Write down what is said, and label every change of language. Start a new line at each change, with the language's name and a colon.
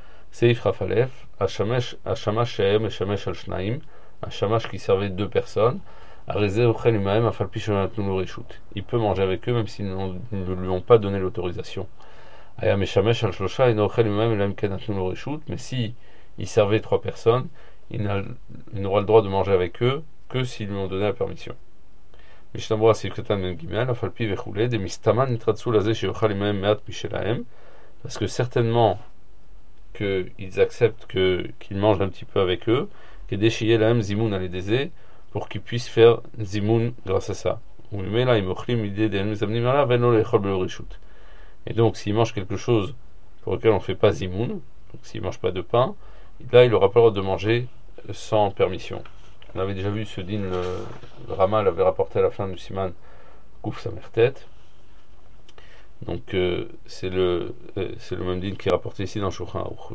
French: Seif Rafalef, Hashamash Shehem et Shamash Al-Shnaim, Hashamash qui servait deux personnes, il peut manger avec eux même s'ils ne lui ont pas donné l'autorisation. Mais si il servait trois personnes, il n'aura le droit de manger avec eux que s'ils lui ont donné la permission.
Hebrew: משתמרו הסעיף קטן מ"ג, אף על פי וכולי, דמסתמן נתרצו לזה שיאכל עמהם מעט משלהם,
French: parce que certainement qu'ils acceptent qu'ils mangent un petit peu avec eux,
Hebrew: כדי שיהיה להם זימון על ידי זה,
French: pour qu'ils puissent faire זימון grâce à ça.
Hebrew: וממילא אם אוכלים מידי דיין מזמנים עליו, אין לו לאכול בלא רשות.
French: Et donc, s'il mange quelque chose pour lequel on ne fait pas zimoun, donc s'il ne mange pas de pain, là, il n'aura pas le droit de manger sans permission. On avait déjà vu ce din, le Rama l'avait rapporté à la fin du siman, Kouf Samertet. Donc, c'est le même din qui est rapporté ici dans Shulchan Aruch.